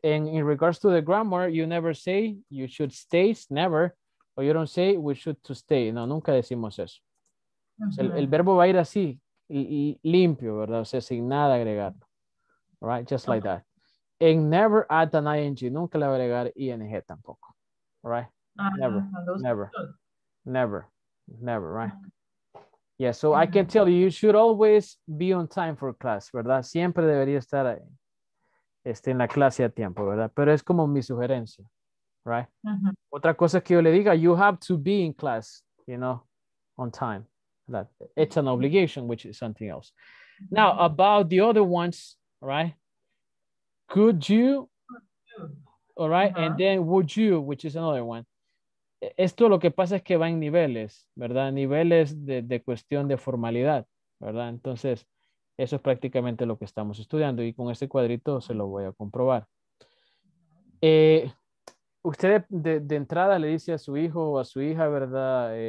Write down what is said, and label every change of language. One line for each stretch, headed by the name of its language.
English: And in regards to the grammar, you never say you should stay, never, or you don't say we should to stay.
Spanish: No, nunca decimos eso. El verbo va a ir así, limpio, ¿verdad? O sea, sin nada agregarlo,
English: all right? Just like that. And never add an ing.
Spanish: Nunca le voy a agregar ing tampoco.
English: All right? Never. Right? Yeah, so I can tell you, you should always be on time for class, ¿verdad?
Spanish: Siempre debería estar en la clase a tiempo, ¿verdad? Pero es como mi sugerencia.
English: right? Mm-hmm.
Spanish: Otra cosa que yo le diga,
English: you have to be in class, you know, on time. That it's an obligation, which is something else. Now, about the other ones, right? Could you? All right, uh-huh. And then would you, which is another one.
Spanish: Esto lo que pasa es que va en niveles, ¿verdad? Niveles de cuestión de formalidad, ¿verdad? Entonces, eso es prácticamente lo que estamos estudiando y con este cuadrito se lo voy a comprobar. Usted de entrada le dice a su hijo o a su hija, ¿verdad?